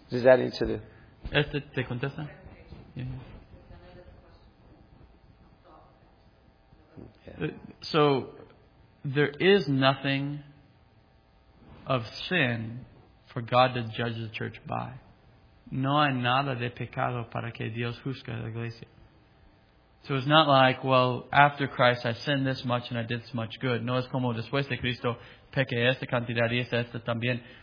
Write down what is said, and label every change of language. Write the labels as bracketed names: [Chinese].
[English] Does that answer the? [Spanish] ¿Este te contesta? Yeah. [English] So there is nothing of sin for God to judge the church by. [Spanish] No hay nada de pecado para que Dios juzgue la iglesia. [English] So it's not like, well, after Christ I sinned this much and I did this much good. [Spanish] No, es como después de Cristo pequé esta cantidad y esta también.